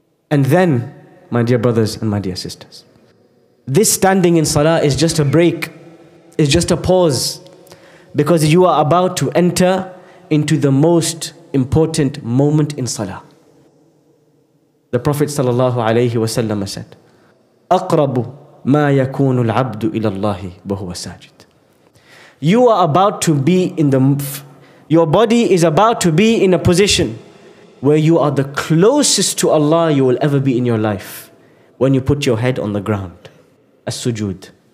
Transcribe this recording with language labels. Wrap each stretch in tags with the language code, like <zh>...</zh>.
<en>And then, my dear brothers and my dear sisters, this standing in salah is just a break, is just a pause, because you are about to enter into the most important moment in salah. The Prophet sallallahu alayhi wa sallam said,</en> <ar>أَقْرَبُ مَا يَكُونُ الْعَبْدُ إِلَى اللَّهِ وَهُوَ سَاجِدُ.</ar> <en>You are about to be in the... Your body is about to be in a position where you are the closest to Allah you will ever be in your life when you put your head on the ground. As-sujood.</en>